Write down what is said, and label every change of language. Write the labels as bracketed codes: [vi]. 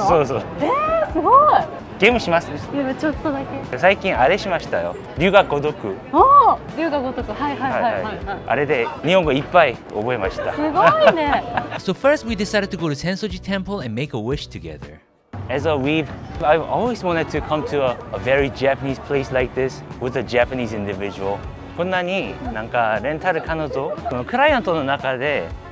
[ja] ごめんなさい、私が英語が話せない。全然大丈夫です。彼氏として僕が頑張ります。日本語も上手にならなくちゃダメなんですよ。すごい、でもめちゃめちゃ上手。ゲームして覚えたんですよ。ゲームで覚えるの？そうそう。すごい。ゲームします。いや、ちょっとだけ。最近あれしましたよ。龍が如く。龍が如く。あれで日本語いっぱい覚えました。すごいね。 [en] So first we decided to go to Sensoji Temple and make a wish together. I've always wanted to come to a very Japanese place like this with a Japanese individual. [ja] こんなになんかレンタル彼女、クライアントの中で